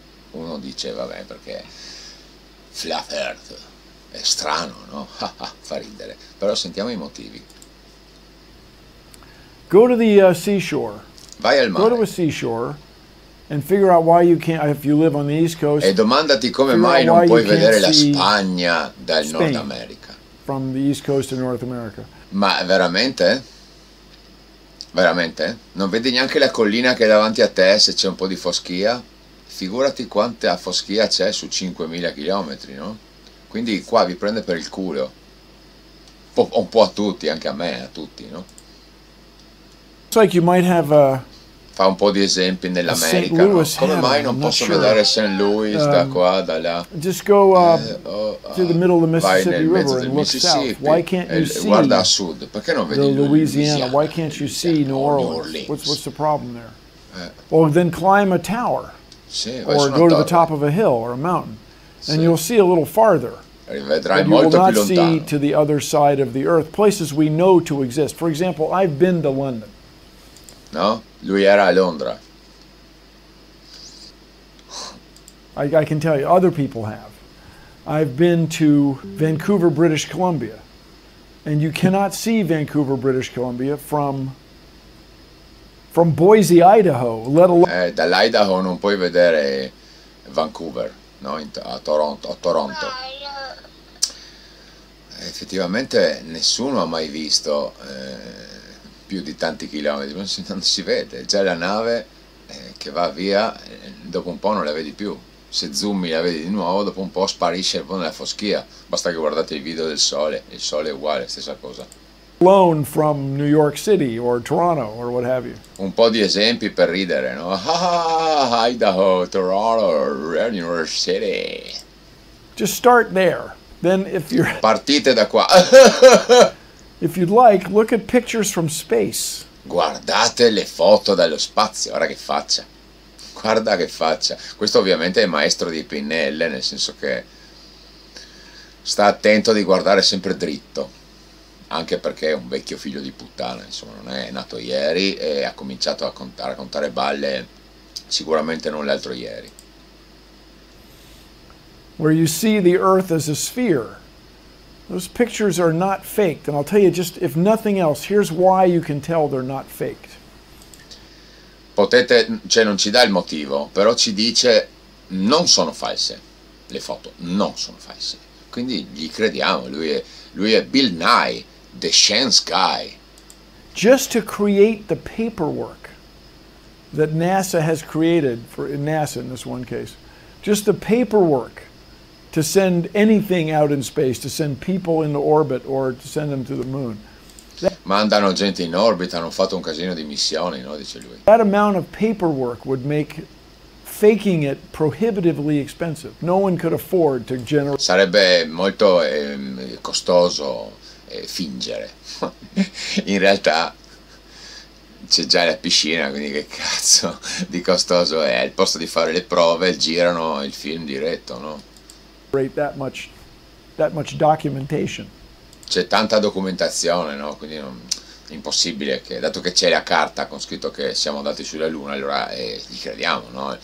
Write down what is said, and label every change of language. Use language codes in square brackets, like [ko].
[it] Uno dice, vabbè, perché flat earth. È strano, no? Fa ridere. Però sentiamo i motivi. [en] Go to the seashore. [it] Vai al mare. [en] Go to a seashore. And figure out why you can't, if you live on the East Coast. [it] E domandati come mai non puoi vedere la Spagna dal Nord America. [en] From the East Coast to North America. [it] Ma veramente? Veramente? Non vedi neanche la collina che è davanti a te se c'è un po' di foschia? Figurati quanta foschia c'è su 5.000 chilometri, no? Quindi qua vi prende per il culo. Un po' a tutti, anche a me, a tutti, no? [en] It's like you might have a... [it] Fa un po' di esempi nell'America. No? Come mai non posso vedere St. Louis da qua, da là? [en] Just go to the middle of the Mississippi River and look south. Why can't you see? [it] Guarda a sud. Perché non vedi Louisiana? [en] Why can't you see New Orleans? What's the problem there? Or then climb a tower. [it] Sì, [en] or go to the top of a hill or a mountain, and you'll see a little farther. [it] Vedrai molto più lontano. [en] You will not see to the other side of the earth. Places we know to exist. For example, I've been to London. [it] No? Lui era a Londra. [en] I can tell you, other people have. I've been to Vancouver, British Columbia. And you cannot see Vancouver, British Columbia from Boise, Idaho, let alone... [it] Dall'Idaho non puoi vedere Vancouver, no? A Toronto. Effettivamente nessuno ha mai visto... più di tanti chilometri, non si vede, già la nave che va via, dopo un po' non la vedi più, se zoomi la vedi di nuovo, dopo un po' sparisce un po' nella foschia, basta che guardate il sole è uguale, stessa cosa. [en] Alone from New York City or Toronto or what have you. [it] Un po' di esempi per ridere, no? Idaho, Toronto, New York City. [en] Just start there, then if you're... [it] Partite da qua. [en] If you'd like, look at pictures from space. [it] Guardate le foto dallo spazio, guarda che faccia. Guarda che faccia. Questo ovviamente è maestro di PNL, nel senso che sta attento di guardare sempre dritto. Anche perché è un vecchio figlio di puttana, insomma, non è nato ieri e ha cominciato a raccontare balle sicuramente non l'altro ieri. [en] Where you see the Earth as a sphere. Those pictures are not faked, and I'll tell you, just if nothing else, here's why you can tell they're not faked. [it] Potete, cioè non ci dà il motivo, però ci dice non sono false le foto, non sono false. Quindi gli crediamo, lui è Bill Nye, the science guy. [en] Just to create the paperwork that NASA has created for NASA in this one case, just the paperwork. To send anything out in space, to send people into orbit or to send them to the moon. [it] Mandano gente in orbita, hanno fatto un casino di missioni, no? Dice lui. [en] That amount of paperwork would make faking it prohibitively expensive. No one could afford to generate. [it] Sarebbe molto costoso fingere. In realtà c'è già la piscina, quindi che cazzo di costoso è? Al posto di fare le prove, girano il film diretto, no? [en] That much documentation. [it] C'è tanta documentazione, no? Quindi non, è impossibile che, dato che c'è la carta con scritto che siamo andati sulla Luna, allora gli crediamo, no?